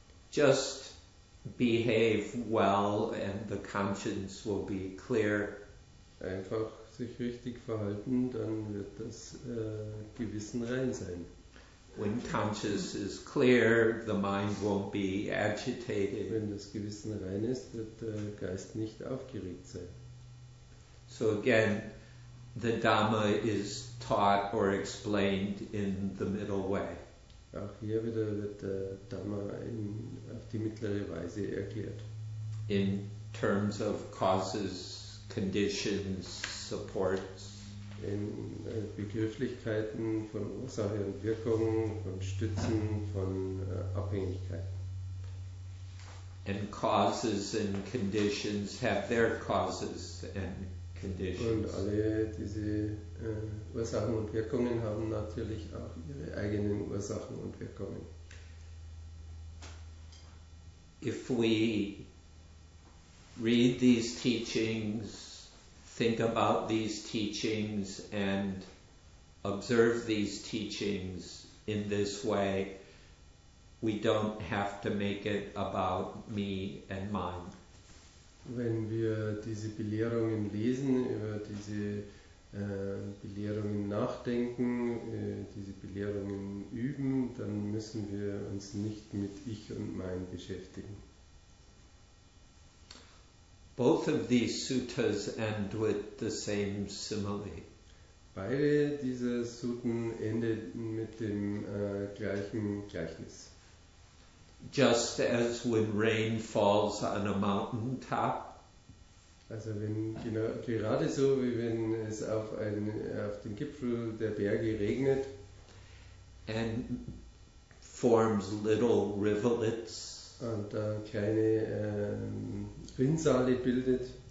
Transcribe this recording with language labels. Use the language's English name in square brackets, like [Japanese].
[English] Just behave well and the conscience will be clear. [German] Einfach sich richtig verhalten, dann wird das Gewissen rein sein. [English] When conscience is clear, the mind won't be agitated. [German] Wenn das Gewissen rein ist, wird der Geist nicht aufgeregt sein. [English] So again, the Dhamma is taught or explained in the middle way. [German] Auch hier wieder wird der Dhamma auf die mittlere Weise erklärt. [English] In terms of causes, conditions, supports. [German] In Begrifflichkeiten von Ursache und Wirkung, von Stützen, von Abhängigkeiten. [English] And causes and conditions have their causes and conditions. [German] Und alle diese Ursachen und Wirkungen haben natürlich auch ihre eigenen Ursachen und Wirkungen. [English] If we read these teachings, think about these teachings and observe these teachings in this way, we don't have to make it about me and mine. [German] Wenn wir diese Belehrungen lesen, über diese Belehrungen nachdenken, diese Belehrungen üben, dann müssen wir uns nicht mit ich und mein beschäftigen. [English] Both of these suttas end with the same simile. [German] Beide dieser Sutten endeten mit dem gleichen Gleichnis. [English] Just as when rain falls on a mountain top. [German] Also wenn gerade so wie wenn es auf den Gipfel der Berge regnet. [English] And forms little rivulets. [German] Und da kleine Rinnsale bildet,